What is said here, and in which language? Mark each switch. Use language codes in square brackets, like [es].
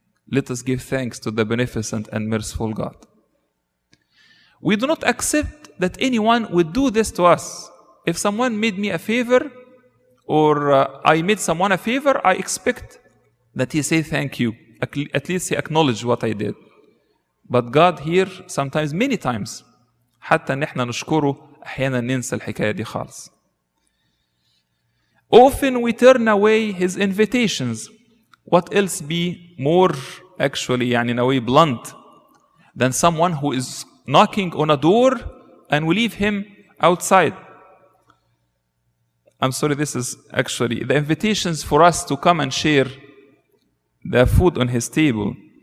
[en] Let us give thanks to the beneficent and merciful God. We do not accept that anyone would do this to us. If someone made me a favor or I made someone a favor, I expect that he say thank you. At least he acknowledged what I did. But God here sometimes, many times, [ar] حتى نحن نشكره أحيانا ننسى الحكاية دي خالص. [en] Often we turn away his invitations. What else be more actually, يعني in a way blunt, than someone who is knocking on a door and we leave him outside? I'm sorry, this is actually the invitations for us to come and share the food on his table.